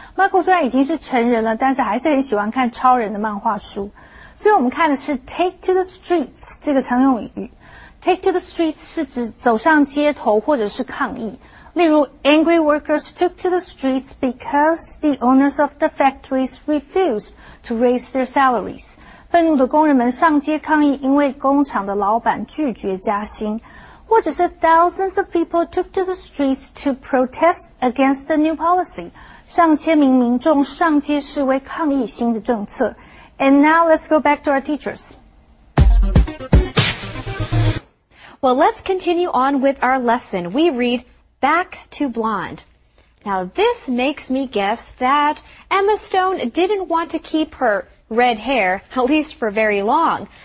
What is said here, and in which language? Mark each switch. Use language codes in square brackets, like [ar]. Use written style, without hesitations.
[zh] Michael 虽然已经是成人了，但是还是很喜欢看超人的漫画书。所以我们看的是 take to the streets 这个常用语。 take to the streets 是指走上街头或者是抗议。例如 [en] angry workers took to the streets because the owners of the factories refused to raise their salaries. [zh] 愤怒的工人们上街抗议因为工厂的老板拒绝加薪。或者是 [en] thousands of people took to the streets to protest against the new policy. [zh] 上千名民众上街示威抗议新的政策。 [en] And now let's go back to our teachers. Well, let's continue on with our lesson. We read Back to Blonde. Now, this makes me guess that Emma Stone didn't want to keep her red hair, at least for very long.